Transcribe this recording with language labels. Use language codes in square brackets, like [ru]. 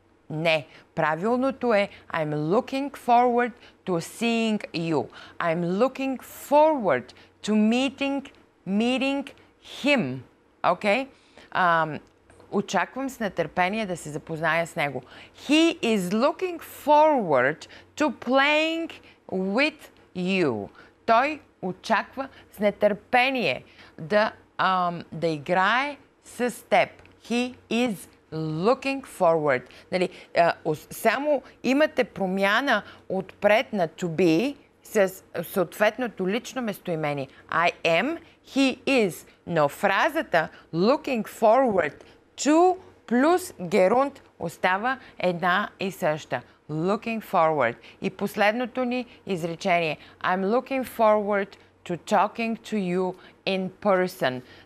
[bg] Не, правилното е [en] I'm looking forward to seeing you. I'm looking forward to meeting him. Okay? [bg] Очаквам с нетърпение да се запозная с него. [en] He is looking forward to playing with you. [bg] Той очаква с нетърпение да играе с теб. [en] He is looking forward. [bg] Нали, само имате промяна отпред на to be с съответното лично местоимение. [en] I am, he is. [bg] Но фразата [en] looking forward to [bg] плюс gerund остава една и съща. [en] Looking forward. [bg] И последното ни изречение. [en] I'm looking forward to talking to you in person.